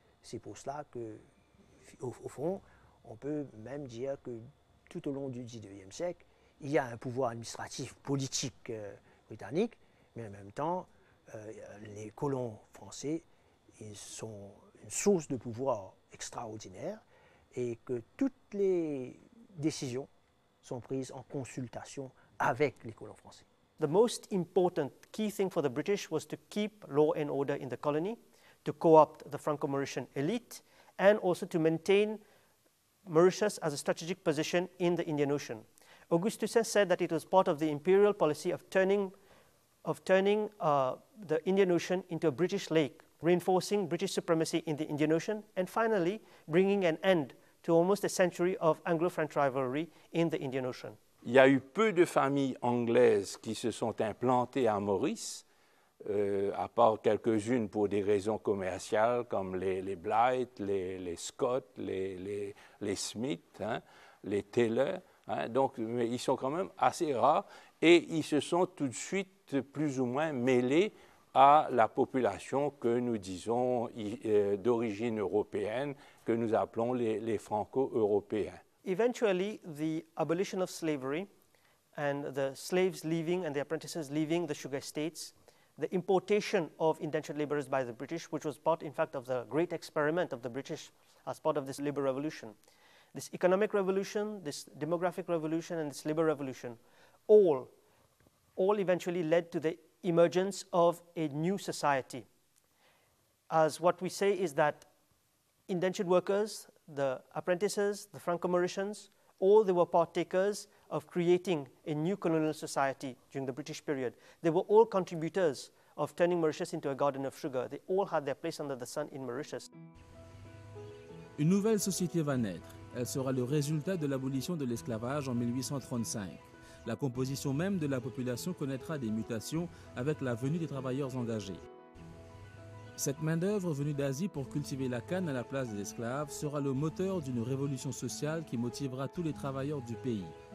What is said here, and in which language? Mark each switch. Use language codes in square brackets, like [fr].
[fr] C'est pour cela que, au fond, on peut même dire que tout au long du 19e siècle, il y a un pouvoir administratif politique britannique, mais en même temps, les colons français, ils sont une source de pouvoir extraordinaire et que toutes les décisions sont prises en consultation avec les colons français. [en] The most important key thing for the British was to keep law and order in the colony, to co-opt the Franco-Mauritian elite, and also to maintain Mauritius as a strategic position in the Indian Ocean. Auguste Toussaint said that it was part of the imperial policy of turning the Indian Ocean into a British lake, reinforcing British supremacy in the Indian Ocean, and finally bringing an end to almost a century of Anglo-French rivalry in the Indian Ocean. [fr] Il y a eu peu de familles anglaises qui se sont implantées à Maurice, à part quelques-unes pour des raisons commerciales, comme les Blight, les Scott, les Smith, hein, les Taylor. Hein, donc, mais ils sont quand même assez rares et ils se sont tout de suite plus ou moins mêlés à la population que nous disons d'origine européenne, que nous appelons les Franco-Européens. [en] Eventually, the abolition of slavery and the slaves leaving and the apprentices leaving the sugar estates, the importation of indentured laborers by the British, which was part, in fact, of the great experiment of the British as part of this liberal revolution. This economic revolution, this demographic revolution, and this liberal revolution, all eventually led to the emergence of a new society. As what we say is that indentured workers, the apprentices, the Franco-Mauritians, all they were partakers of creating a new colonial society during the British period. They were all contributors of turning Mauritius into a garden of sugar. They all had their place under the sun in Mauritius. [fr] Une nouvelle société va naître. Elle sera le résultat de l'abolition de l'esclavage en 1835. La composition même de la population connaîtra des mutations avec la venue des travailleurs engagés. Cette main-d'œuvre venue d'Asie pour cultiver la canne à la place des esclaves sera le moteur d'une révolution sociale qui motivera tous les travailleurs du pays.